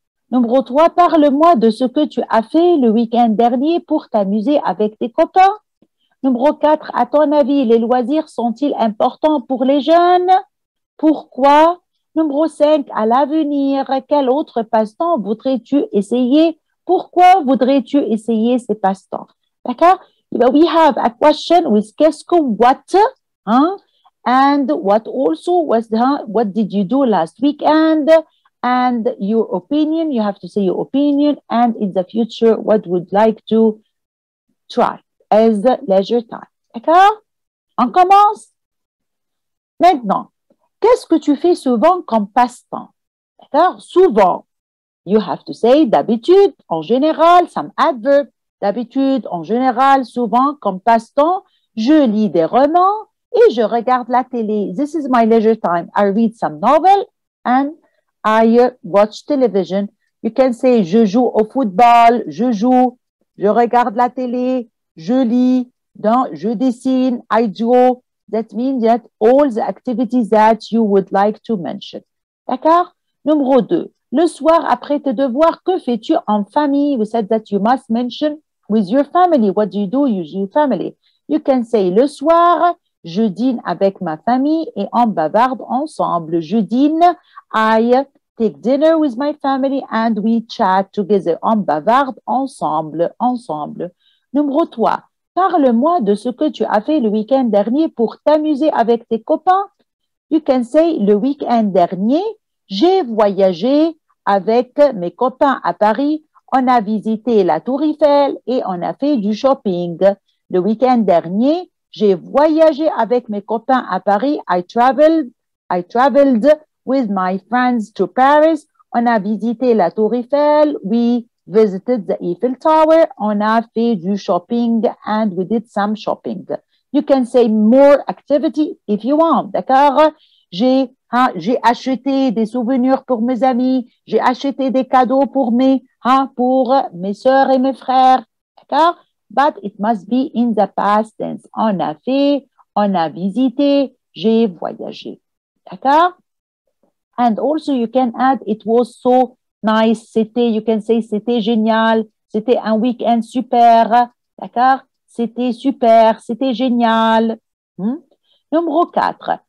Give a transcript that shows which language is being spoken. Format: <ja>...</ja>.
<fr>Numéro 3, parle-moi de ce que tu as fait le week-end dernier pour t'amuser avec tes copains. Numéro 4, à ton avis, les loisirs sont-ils importants pour les jeunes? Pourquoi? Numéro 5, à l'avenir, quel autre passe-temps voudrais-tu essayer? Pourquoi voudrais-tu essayer ces passe-temps? D'accord?</fr> <en>But we have a question with</en> <fr>qu'est-ce que,</fr> <en>what, and what also was, what did you do last weekend? And your opinion, you have to say your opinion, and in the future, what would like to try as leisure time.</en> <fr>D'accord? On commence? Maintenant. Qu'est-ce que tu fais souvent comme passe-temps? D'accord? Souvent.</fr> <en>You have to say</en> <fr>d'habitude, en général,</fr> <en>some adverb.</en> <fr>D'habitude, en général, souvent, comme passe-temps, je lis des romans et je regarde la télé.</fr> <en>This is my leisure time. I read some novel and I watch television. You can say</en> <fr>je joue au football, je joue, je regarde la télé, je lis, donc je dessine,</fr> <en>I draw. That means that all the activities that you would like to mention.</en> <fr>D'accord? Numéro 2. Le soir après tes devoirs, que fais-tu en famille?</fr> <en>We said that you must mention with your family. What do you do with your family? You can say</en> <fr>le soir, je dîne avec ma famille et on bavarde ensemble. Je dîne,</fr> <en>I take dinner with my family and we chat together.</en> <fr>On bavarde ensemble, ensemble. Numéro 3. Parle-moi de ce que tu as fait le week-end dernier pour t'amuser avec tes copains.</fr> <en>You can say,</en> <fr>le week-end dernier, j'ai voyagé avec mes copains à Paris. On a visité la Tour Eiffel et on a fait du shopping. Le week-end dernier, j'ai voyagé avec mes copains à Paris.</fr> <en>I traveled with my friends to Paris.</en> <fr>On a visité la Tour Eiffel.</fr> <en>We visited the Eiffel Tower.</en> <fr>On a fait du shopping</fr> <en>and we did some shopping. You can say more activity if you want,</en> <fr>d'accord? J'ai acheté des souvenirs pour mes amis. J'ai acheté des cadeaux pour mes sœurs et mes frères, d'accord?</fr> <en>But it must be in the past tense.</en> <fr>On a fait, on a visité, j'ai voyagé, d'accord?</fr> <en>And also you can add, it was so nice,</en> <fr>c'était,</fr> <en>you can say,</en> <fr>c'était génial, c'était un week-end super, d'accord? C'était super, c'était génial. Numéro 4.</fr>